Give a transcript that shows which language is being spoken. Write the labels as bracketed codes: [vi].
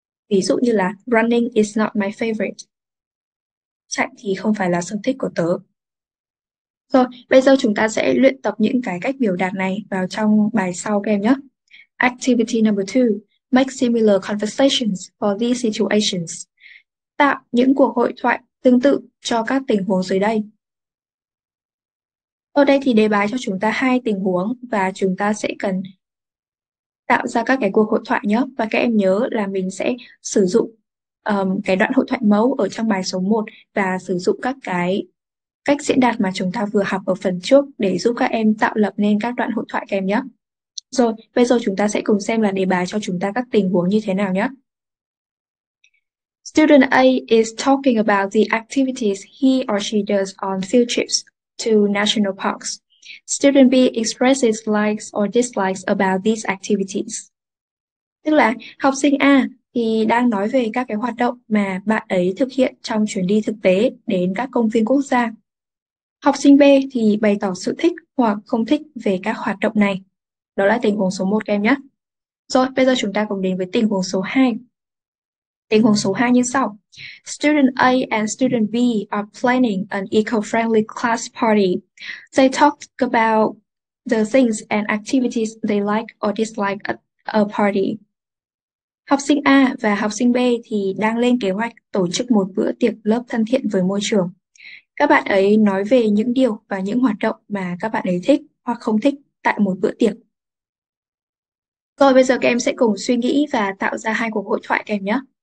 [vi] Ví dụ như là [en] running is not my favorite, [vi] chạy thì không phải là sở thích của tớ. Rồi, bây giờ chúng ta sẽ luyện tập những cái cách biểu đạt này vào trong bài sau các em nhé. [en] Activity number 2, make similar conversations for these situations. [vi] Tạo những cuộc hội thoại tương tự cho các tình huống dưới đây. Ở đây thì đề bài cho chúng ta hai tình huống và chúng ta sẽ cần tạo ra các cái cuộc hội thoại nhé. Và các em nhớ là mình sẽ sử dụng cái đoạn hội thoại mẫu ở trong bài số 1 và sử dụng các cái cách diễn đạt mà chúng ta vừa học ở phần trước để giúp các em tạo lập nên các đoạn hội thoại các em nhé. Rồi, bây giờ chúng ta sẽ cùng xem là đề bài cho chúng ta các tình huống như thế nào nhé. [en] Student A is talking about the activities he or she does on field trips to national parks. Student B expresses likes or dislikes about these activities. [vi] Tức là học sinh A thì đang nói về các cái hoạt động mà bạn ấy thực hiện trong chuyến đi thực tế đến các công viên quốc gia. Học sinh B thì bày tỏ sự thích hoặc không thích về các hoạt động này. Đó là tình huống số 1 các em nhé. Rồi, bây giờ chúng ta cùng đến với tình huống số 2. Tình huống số 2 như sau. [en] Student A and student B are planning an eco-friendly class party. They talked about the things and activities they like or dislike at a party. [vi] Học sinh A và học sinh B thì đang lên kế hoạch tổ chức một bữa tiệc lớp thân thiện với môi trường. Các bạn ấy nói về những điều và những hoạt động mà các bạn ấy thích hoặc không thích tại một bữa tiệc. Rồi bây giờ các em sẽ cùng suy nghĩ và tạo ra hai cuộc hội thoại các em nhé.